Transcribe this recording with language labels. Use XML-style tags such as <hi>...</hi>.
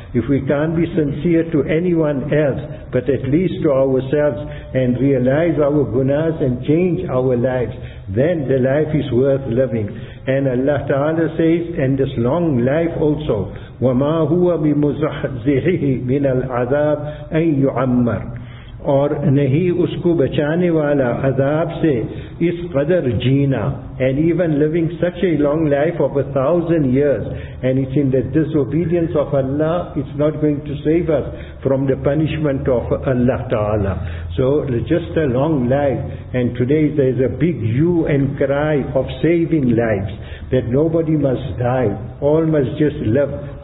<en>If we can't be sincere to anyone else, but at least to ourselves, and realize our gunas and change our lives, then the life is worth living. And Allah Ta'ala says, and this long life also,</en> <ar>وَمَا هُوَ بِمُزَحْزِحِهِ مِنَ الْعَذَابِ أَن يُعَمَّرْ.</ar> <ur>اور نہیں اس کو بچانے والا عذاب سے اس قدر جینا.</ur> <en>And even living such a long life of 1,000 years, and it's in the disobedience of Allah, it's not going to save us from the punishment of Allah Ta'ala. So just a long life. And today there is a big hue and cry of saving lives, that nobody must die, all must just live.</en>